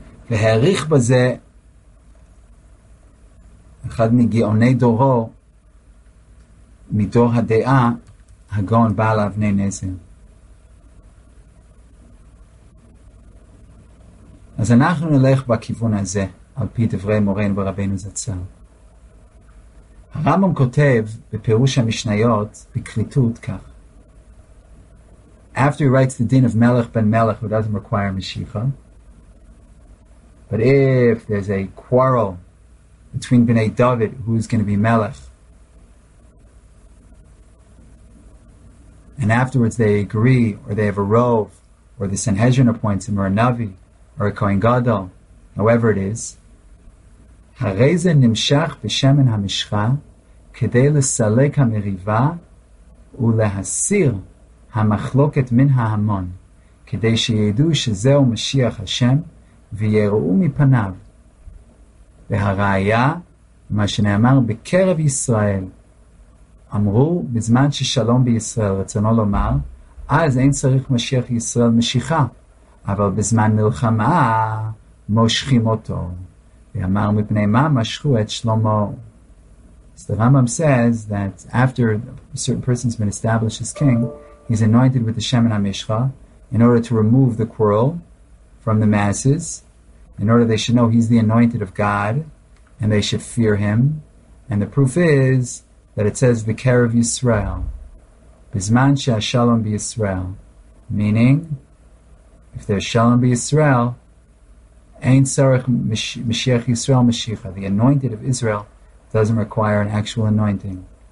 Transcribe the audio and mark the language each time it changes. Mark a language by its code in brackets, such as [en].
[he] והעריך בזה אחד מגאוני דורו מדור הדעה הגאון בעל אבני נזר. אז אנחנו נלך בכיוון הזה על פי דברי מורנו ורבינו זצ"ל. הרמב"ם כותב בפירוש המשניות בקליטות כך: [en] After he writes the din of מלך בן מלך who doesn't require משיחה, but if there's a quarrel between Bnei David, who's going to be Melech, and afterwards they agree, or they have a Rov, or the Sanhedrin appoints him, or a Navi, or a Kohen Gadol, however it is, [he] הרי זה נמשך בשמן המשחה כדי לסלק המריבה ולהסיר המחלוקת מן ההמון, כדי שידעו שזהו משיח השם, ויראו מפניו. והראיה, מה שנאמר בקרב ישראל, אמרו בזמן ששלום בישראל, רצונו לומר, אז אין צריך משיח ישראל משיכה, אבל בזמן מלחמה מושכים אותו. ואמר מפני מה משכו את שלמה. [en] So the Rambam says that after a certain person has been established as king, he's anointed with the Shemen HaMishcha in order to remove the quarrel from the masses, in order they should know he's the anointed of God, and they should fear him. And the proof is that it says, V'kerev Yisrael, Bizman she'ashalom b'Yisrael, meaning, if there's shalom b'Yisrael, Ein tzarech Mashiach Yisrael Mashicha, the anointed of Israel, doesn't require an actual anointing.